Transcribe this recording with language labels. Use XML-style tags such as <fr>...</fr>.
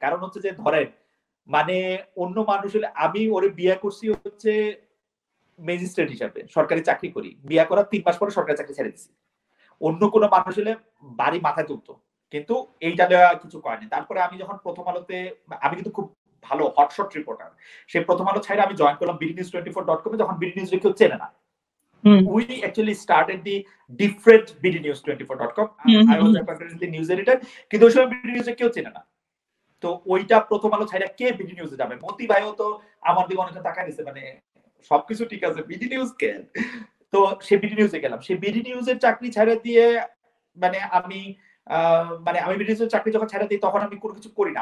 <bn>কারণ হচ্ছে যে ধরেন মানে অন্য মানুষ হলে, আমি ওরে বিয়ে করছি হচ্ছে ম্যাজিস্ট্রেট হিসাবে, সরকারি চাকরি করি, বিয়ে করার 3 মাস পরে সরকারি চাকরি ছেড়ে দিছি, অন্য কোনো মানুষ হলে বাড়ি মাথায় তুলতো, কিন্তু এইটা দেওয়া কিছু করেনি। তারপরে আমি যখন প্রথম আলোতে, আমি কিন্তু খুব ভালো হটশট রিপোর্টার, সে প্রথম আলো ছাড়া আমি জয়েন করলাম BDNews24.com, যখন BDNews কেউ চেনে না,</bn> <en>We actually started the different BDNews24.com. I was appointed the news editor.</en> <bn>কিন্তু ওই সময় BDNews কেউ চেনে না। তো ওইটা প্রথম আলো ছাইরা কে BDNews এ যাবে? মতি ভাইও তো আমার দিকে অনেকটা তাকায় দিছে, মানে সবকিছু ঠিক আছে BDNews কে? তো সে BDNews এ গেলাম। সে BDNews এর চাকরি ছাইরা দিয়ে মানে আমি মানে আমি BDNews এর চাকরি যখন ছাইরা দিই তখন আমি কোনো কিছু করি না।</bn>